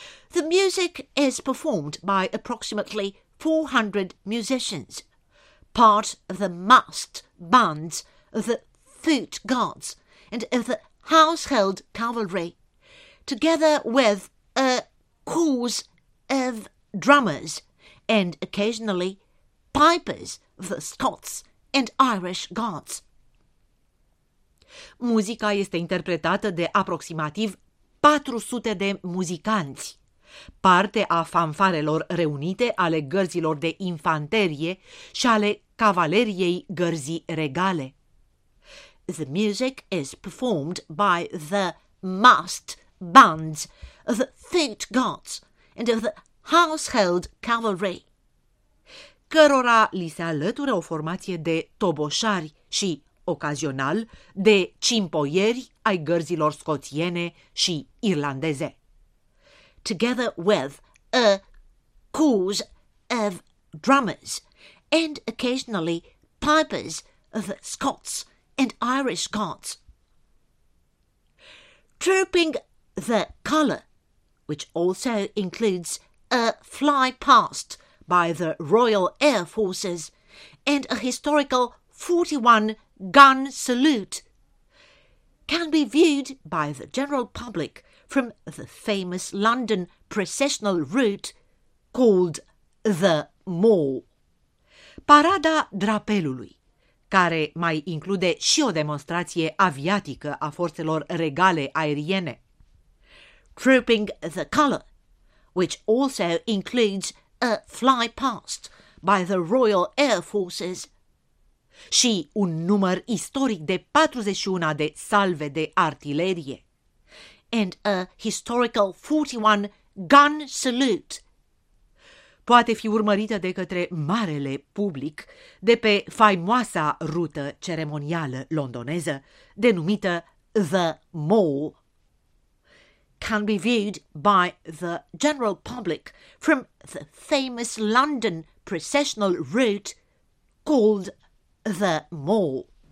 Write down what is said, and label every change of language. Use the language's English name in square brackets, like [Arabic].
[English] The music is performed by approximately 400 musicians, part of the masked bands of the Foot Guards and of the Household Cavalry, together with a corps of drummers and occasionally pipers of the Scots and Irish Guards. [Romanian] Muzica este interpretată de aproximativ 400 de muzicanți, parte a fanfarelor reunite ale gărzilor de infanterie și ale cavaleriei gărzii regale. [English] The music is performed by the masked bands of the Foot Guards and of the Household Cavalry, [Romanian] cărora li se alătură o formație de toboșari și, ocazional, de cimpoieri ai gărzilor scoțiene și irlandeze. [English] Together with a corps of drummers and occasionally pipers of the Scots and Irish Guards. Trooping the Colour, which also includes a fly past by the Royal Air Forces and a historical 41-gun salute, can be viewed by the general public from the famous London processional route called the Mall. [Romanian] Parada Drapelului, care mai include și o demonstrație aviatică a forțelor regale aeriene. [English] Trooping the Colour, which also includes a fly past by the Royal Air Forces, [Romanian] și un număr istoric de 41 de salve de artilerie, [English] and a historical 41-gun salute, [Romanian] poate fi urmărită de către marele public de pe faimoasa rută ceremonială londoneză denumită The Mall. [English] Can be viewed by the general public from the famous London processional route called The Mall.